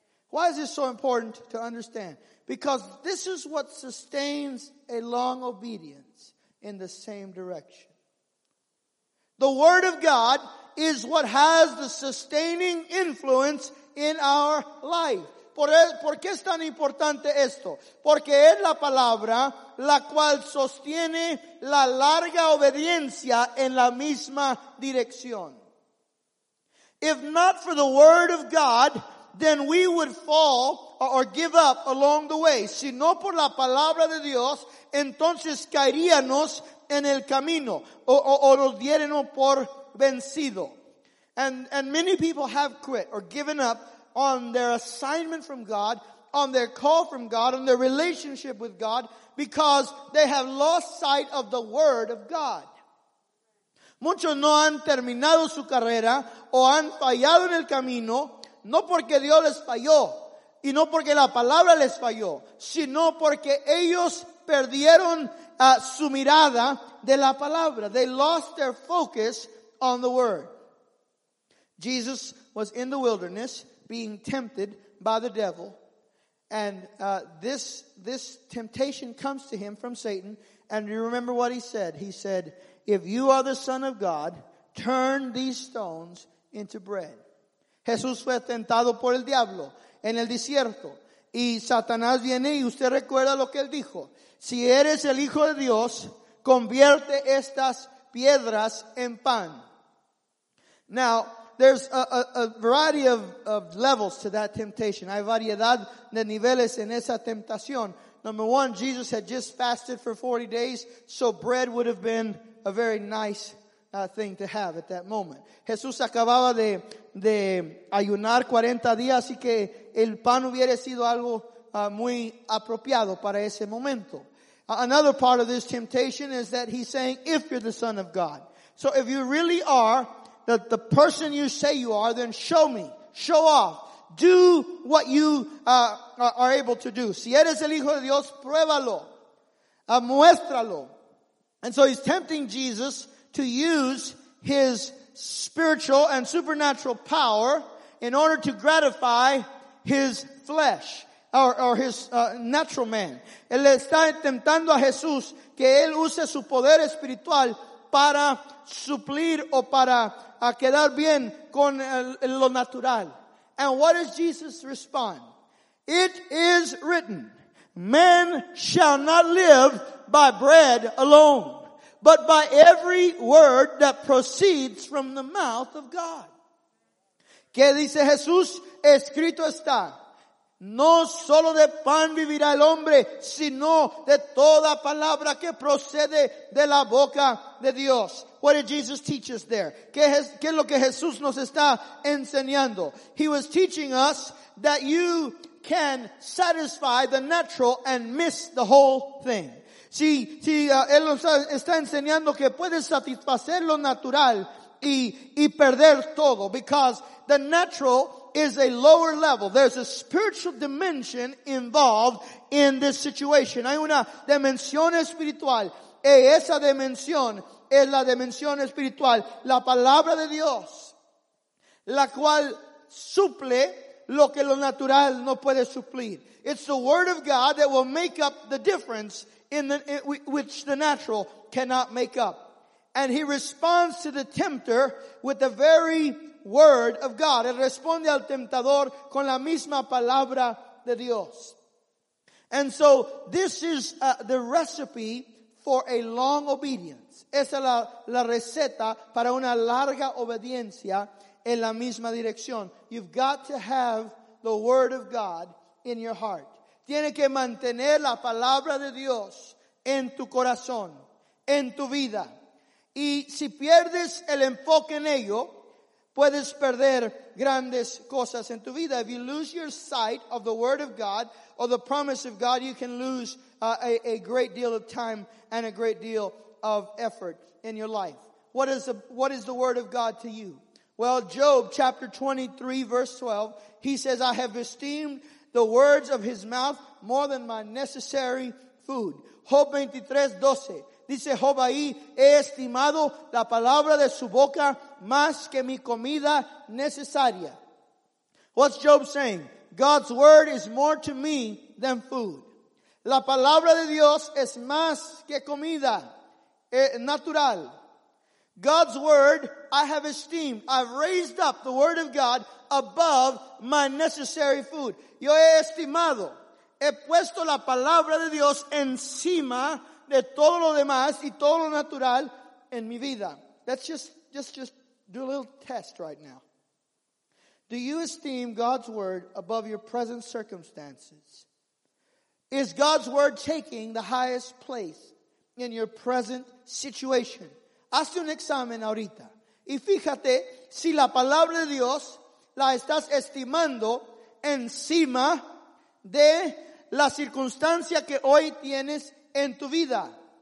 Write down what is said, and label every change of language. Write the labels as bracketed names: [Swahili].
[English] Why is this so important to understand? Because this is what sustains a long obedience in the same direction. The word of God is what has the sustaining influence in our life. [Spanish] ¿Por qué es tan importante esto? Porque es la palabra la cual sostiene la larga obediencia en la misma dirección. [English] If not for the word of God, then we would fall or give up along the way. [Spanish] Si no por la palabra de Dios, entonces caeríamos en el camino o nos diéramos por vencido. [English] And many people have quit or given up on their assignment from God, on their call from God, on their relationship with God, because they have lost sight of the word of God. [Spanish] Muchos no han terminado su carrera o han fallado en el camino, no porque Dios les falló y no porque la palabra les falló, sino porque ellos perdieron su mirada de la palabra. [English] They lost their focus on the word. Jesus was in the wilderness being tempted by the devil. And this temptation comes to him from Satan. And you remember what he said. He said, if you are the Son of God, turn these stones into bread. [Spanish] Jesús fue tentado por el diablo en el desierto. Y Satanás viene y usted recuerda lo que él dijo. Si eres el Hijo de Dios, convierte estas piedras en pan. [English] Now, there's a variety of levels to that temptation. [Spanish] Hay variedad de niveles en esa tentación. [English] Number one, Jesus had just fasted for 40 days, so bread would have been a very nice thing to have at that moment. [Spanish] Jesús acababa de ayunar 40 días, así que el pan hubiera sido algo muy apropiado para ese momento. [English] Another part of this temptation is that he's saying, if you're the Son of God. So if you really are the person you say you are, then show me. Show off. Do what you are able to do. [Spanish] Si eres el hijo de Dios, pruébalo. Muéstralo. [English] And so he's tempting Jesus to use his spiritual and supernatural power in order to gratify his flesh or his natural man. [Spanish] Él está tentando a Jesús que él use su poder espiritual para suplir o para quedar bien con lo natural. [English] And what does Jesus respond? It is written, man shall not live by bread alone, but by every word that proceeds from the mouth of God. [Spanish] ¿Qué dice Jesús? Escrito está. No solo de pan vivirá el hombre, sino de toda palabra que procede de la boca de Dios. [English] What did Jesus teach us there? [Spanish] ¿Qué es lo que Jesús nos está enseñando? [English] He was teaching us that you can satisfy the natural and miss the whole thing. [Spanish] Él nos está enseñando que puedes satisfacer lo natural y perder todo. [English] Because the natural is a lower level. There's a spiritual dimension involved in this situation. [Spanish] Hay una dimensión espiritual. Y esa dimensión es la dimensión espiritual. La palabra de Dios. La cual suple lo que lo natural no puede suplir. [English] It's the word of God that will make up the difference which the natural cannot make up. And he responds to the tempter with the very word of God. [Spanish] Él responde al tentador con la misma palabra de Dios. [English] And so this is the recipe for a long obedience. [Spanish] Esa es la receta para una larga obediencia en la misma dirección. [English] You've got to have the word of God in your heart. [Spanish] Tiene que mantener la palabra de Dios en tu corazón, en tu vida. Y si pierdes el enfoque en ello, puedes perder grandes cosas en tu vida. [English] If you lose your sight of the word of God or the promise of God, you can lose a great deal of time and a great deal of effort in your life. What is the word of God to you? Well, Job chapter 23 verse 12, he says, I have esteemed the words of his mouth more than my necessary food. Job 23:12. [Spanish] Dice Job ahí, he estimado la palabra de su boca más que mi comida necesaria. [English] What's Job saying? God's word is more to me than food. [Spanish] La palabra de Dios es más que comida natural. [English] God's word I have esteemed. I've raised up the word of God above my necessary food. [Spanish] Yo he estimado. He puesto la palabra de Dios encima de todo lo demás y todo lo natural en mi vida. [English] Let's just do a little test right now. Do you esteem God's word above your present circumstances? Is God's word taking the highest place in your present situation? [Spanish] Hazte un examen ahorita. Y fíjate si la palabra de Dios la estás estimando encima de la circunstancia que hoy tienes en tu vida.